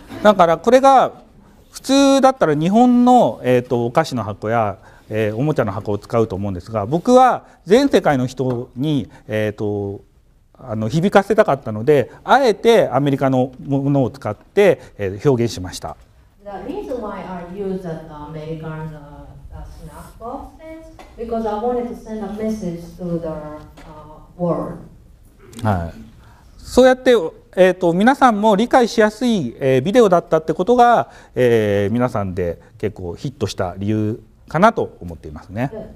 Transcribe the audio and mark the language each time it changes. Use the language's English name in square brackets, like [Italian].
[Japanese] だからこれが普通だったら日本の、お菓子の箱や、おもちゃの箱を使うと思うんですが、僕は全世界の人に、響かせたかったのであえてアメリカのものを使って、表現しました。 [English] The reason why I use the American snack box is because I wanted to send a message to the world. [Japanese] はい、そうやって、皆さんも理解しやすい、ビデオだったってことが、皆さんで結構ヒットした理由かなと思っていますね。